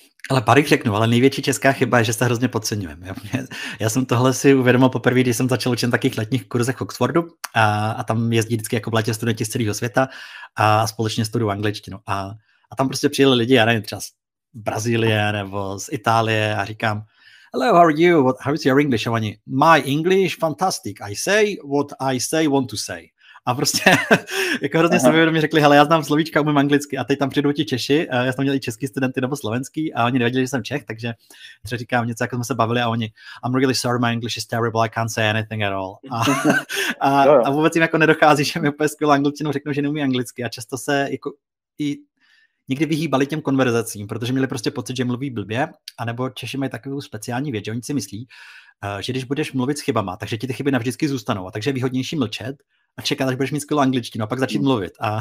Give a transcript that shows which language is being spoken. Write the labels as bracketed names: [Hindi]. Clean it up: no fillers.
[Czech] Ale pár jich řeknu, ale největší česká chyba je, že se hrozně podceňujeme. Já jsem tohle si uvědomil poprvé, když jsem začal učit na takých letních kurzech Oxfordu a tam jezdí vždycky jako v létě studenti z celého světa a společně studují angličtinu. A tam prostě přijeli lidi, já nevím, třeba z Brazílie nebo z Itálie a říkám, [English] hello, how are you? How is your English? [Czech] A oni, [English] my English, fantastic. I say what I say, want to say. [Czech] A prostě jako hrozně se vědomě řekli, hele, já znám slovíčka, umím anglicky a teď tam přijdou ti Češi, já jsem měl i český studenty nebo slovenský a oni nevěděli, že jsem Čech, takže třeba říkám něco, jako jsme se bavili a oni, [English] I'm really sorry, my English is terrible, I can't say anything at all. [Czech] A Jo. vůbec jim jako nedochází, že mi úplně skvělou angličtinou řeknou, že neumí anglicky a často se jako i někdy vyhýbali těm konverzacím, protože měli prostě pocit, že mluví blbě, anebo Češi mají takovou speciální věc, že oni si myslí, že když budeš mluvit s chybama, takže ti ty chyby navždycky zůstanou. A takže je výhodnější mlčet, a čekat, až budeš mít skvělou angličtinu a pak začít mluvit.